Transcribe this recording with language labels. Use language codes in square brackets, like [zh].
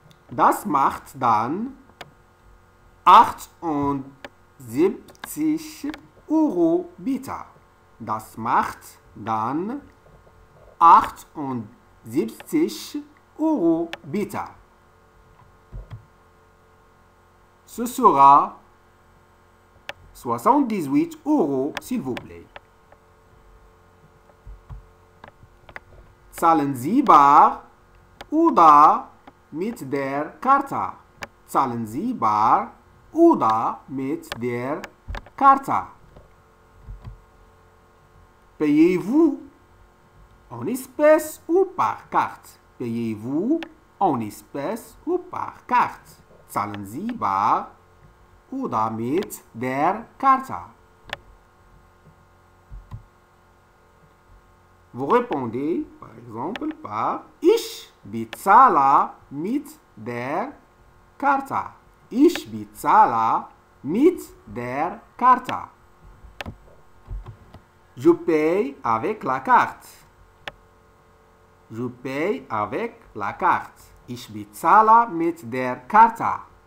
[de] Das macht dann 78 Euro, bitte. Das macht dann 78 Euro, bitte. [fr] Ce sera 78 Euro, s'il vous plaît. [de] Zahlen Sie bar oder mit der Karte? Zahlen Sie bar oder mit der Karte? [fr] Payez-vous en espèce ou par carte? Payez-vous en espèce ou par carte? [de] Zahlen Sie bar oder mit der Karte? [fr] Vous répondez, par exemple, par [de] Ich bezahle mit der Karte. Ich bezahle mit der Karte. [fr] Je paye avec la carte. Je paye avec la carte. [de] Ich bezahle mit der Karte.